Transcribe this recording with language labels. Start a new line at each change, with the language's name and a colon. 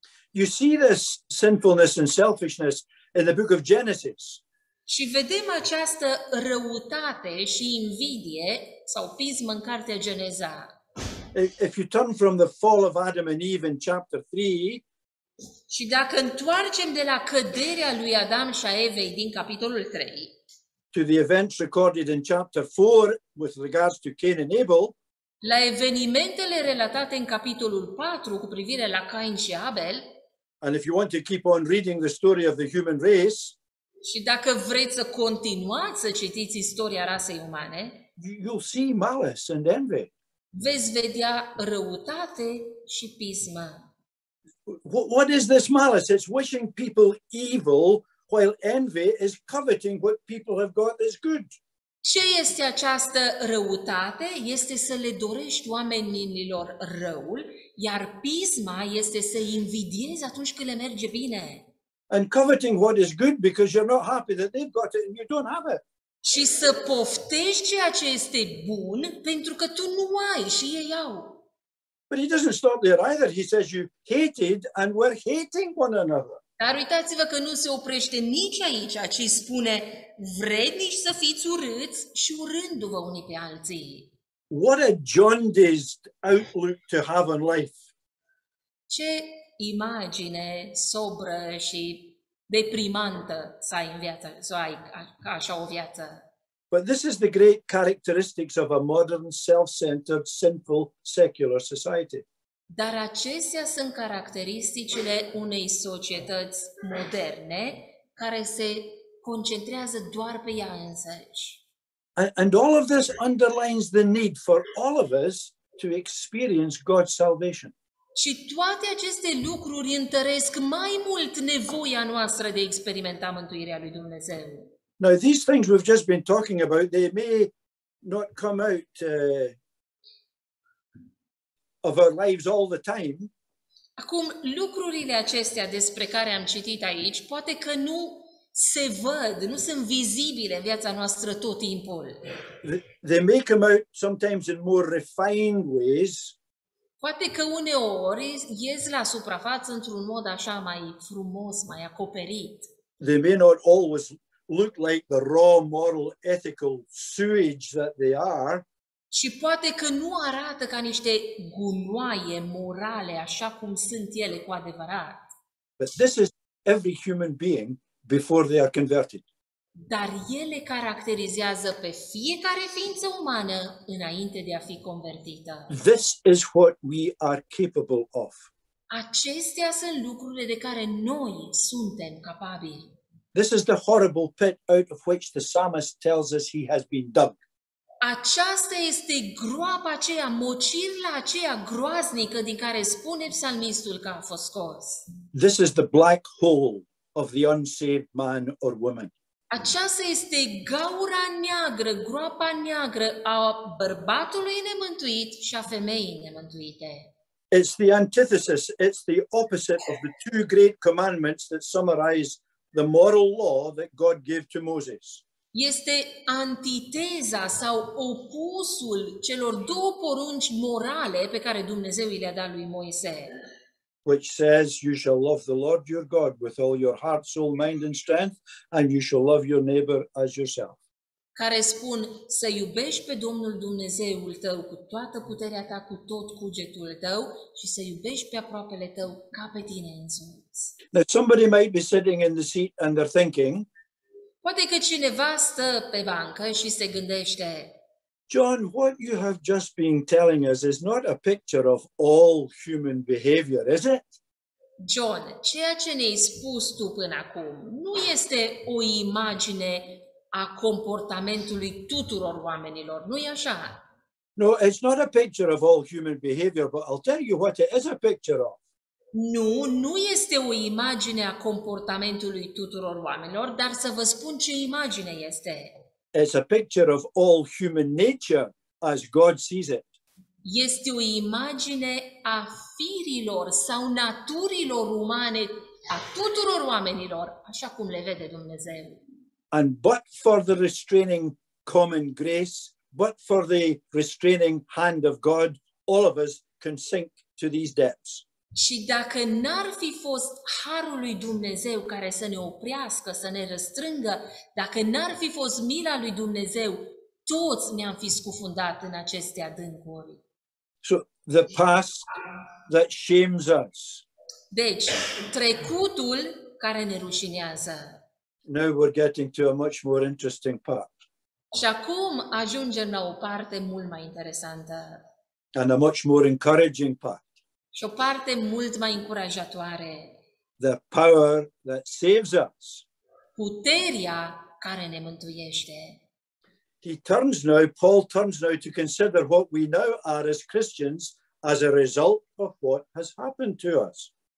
English: You see this sinfulness and selfishness in the book of Genesis.
Romanian: Și vedem această răutate și invidie sau pismă în cartea Geneza.
English: If you turn from the fall of Adam and Eve in chapter 3,
Romanian: și dacă întoarcem de la căderea lui Adam și a Evei din capitolul 3,
English: to the events recorded in chapter 4 with regards to Cain and Abel,
Romanian: la evenimentele relatate în capitolul 4 cu privire la Cain și Abel,
English: and if you want to keep on reading the story of the human race,
Romanian: și dacă vreți să continuați să citiți istoria rasei umane,
English: you'll see malice and envy.
Romanian: Veți vedea răutate și pismă.
English: What is this malice? It's wishing people evil while envy is coveting what people have got that's good.
Romanian: Ce este această răutate? Este să le dorești oamenilor răul, iar pisma este să invidiezi atunci când le merge bine.
English: And coveting what is good because you're not happy that they've got it and you don't have it.
Romanian: Și să poftești ceea ce este bun pentru că tu nu ai și ei au.
English: But he doesn't stop there either. He says you hated and were hating one another.
Romanian: Dar uitați-vă că nu se oprește nici aici, ci spune vrednici să fiți urâți și urându-vă unii pe alții.
English: What a jaundiced outlook to have on life.
Romanian: Ce imagine sobră și deprimantă să ai în viață, să ai așa o viață.
English: But this is the great characteristics of a modern self-centered, sinful, secular society.
Romanian: Dar acestea sunt caracteristicile unei societăți moderne care se concentrează doar pe ea însăși.
English: And all of this underlines the need for all of us to experience God's salvation.
Romanian: Și toate aceste lucruri întăresc mai mult nevoia noastră de a experimenta mântuirea lui Dumnezeu.
English: Now, these things we've just been talking about, they may not come out of our lives all the time.
Romanian: Acum, lucrurile acestea despre care am citit aici, poate că nu se văd, nu sunt vizibile în viața noastră tot timpul.
English: They may come out sometimes in more refined ways.
Romanian: Poate că uneori ies la suprafață într-un mod așa mai frumos, mai acoperit.
English: They may not always look like the raw moral ethical sewage that they are.
Romanian: Și poate că nu arată ca niște gunoaie morale așa cum sunt ele cu adevărat.
English: But this is every human being before they are converted.
Romanian: Dar ele caracterizează pe fiecare ființă umană înainte de a fi convertită.
English: This is what we are capable of.
Romanian: Acestea sunt lucrurile de care noi suntem capabili.
English: This is the horrible pit out of which the psalmist tells us he has been dug.
Romanian: Aceasta este groapa aceea, mocirla aceea groaznică din care spune psalmistul că a fost scos.
English: This is the black hole of the unsaved man or woman.
Romanian: Aceasta este gaura neagră, groapa neagră a bărbatului nemântuit și a femeii nemântuite.
English: It's the antithesis, it's the opposite of the two great commandments that summarize the moral law that God gave to Moses.
Romanian: Este antiteza sau opusul celor două porunci morale pe care Dumnezeu i-a dat lui Moise.
English: Which says you shall love the Lord your God with all your heart, soul, mind and strength and you shall love your neighbor as yourself.
Romanian: Care spun să iubești pe Domnul Dumnezeul tău cu toată puterea ta, cu tot cugetul tău și să iubești pe aproapele tău ca pe tine însuți.
English: Now somebody might be sitting in the seat and they're thinking.
Romanian: Poate că cineva stă pe bancă și se gândește.
English: John, what you have just been telling us is not a picture of all human behavior, is it?
Romanian: John, ceea ce ne-ai spus tu până acum nu este o imagine a comportamentului tuturor oamenilor, nu-i așa?
English: No, it's not a picture of all human behavior, but I'll tell you what it is a picture of.
Romanian: Nu, nu este o imagine a comportamentului tuturor oamenilor, dar să vă spun ce imagine este.
English: It's a picture of all human nature as God sees it.
Romanian: Este o imagine a firilor sau naturilor umane, a tuturor oamenilor, așa cum le vede Dumnezeu.
English: And but for the restraining common grace, but for the restraining hand of God, all of us can sink to these depths.
Romanian: Și dacă n-ar fi fost harul lui Dumnezeu care să ne oprească, să ne răstrângă, dacă n-ar fi fost mila lui Dumnezeu, toți ne-am fi scufundat în aceste adâncuri.
English: So, the past that shames us.
Romanian: Deci, trecutul care ne rușinează.
English: Now we're getting to a much more interesting part.
Romanian: Și acum ajungem la o parte mult mai interesantă.
English: And a much more encouraging part.
Romanian: Și o parte mult mai încurajatoare.
English: The power that saves us.
Romanian: Puterea care ne mântuiește.
English: Paul turns now to consider what we now are as Christians as a result of what has happened to us.